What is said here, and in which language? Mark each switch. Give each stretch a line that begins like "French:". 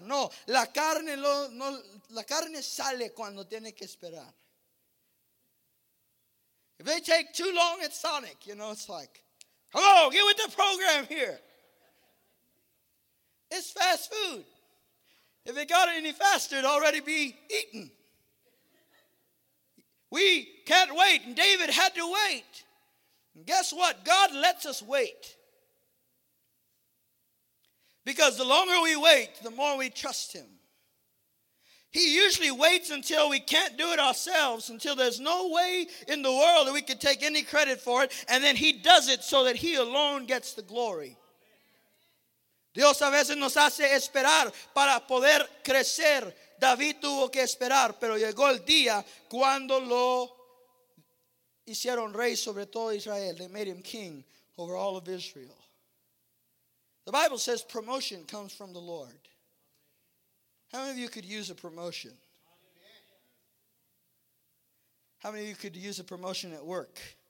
Spanish: No, la carne sale cuando tiene que esperar.
English: If they take too long at Sonic, you know, it's like, hello, get with the program here. It's fast food. If it got any faster, it'd already be eaten. We can't wait. And David had to wait. And guess what? God lets us wait. Because the longer we wait, the more we trust him. He usually waits until we can't do it ourselves, until there's no way in the world that we could take any credit for it, and then he does it so that he alone gets the glory.
Spanish: Dios a veces nos hace esperar para poder crecer. David tuvo que esperar, pero llegó el día cuando lo hicieron rey sobre todo Israel.
English: They made him king over all of Israel. The Bible says promotion comes from the Lord. How many of you could use a promotion? How many of you could use a promotion at work?